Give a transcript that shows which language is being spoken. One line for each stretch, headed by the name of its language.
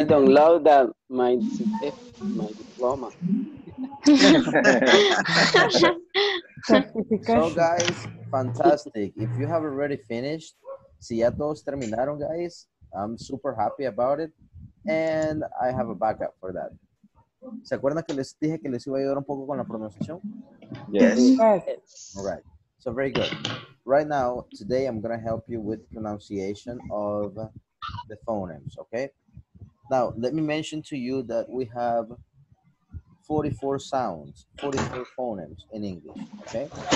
English: I don't love that my CTF, my diploma. So guys, fantastic. If you have already finished,
Spanish: si ya todos terminaron,
English: guys, I'm super happy about it. And I have a backup for that.
Spanish: ¿Se acuerdan que les dije que les iba a ayudar un poco con la pronunciación?
English: Yes. All right. So very good. Right now, today I'm going to help you with pronunciation of the phonemes, okay? Now, let me mention to you that we have 44 sounds, 44 phonemes in English, okay?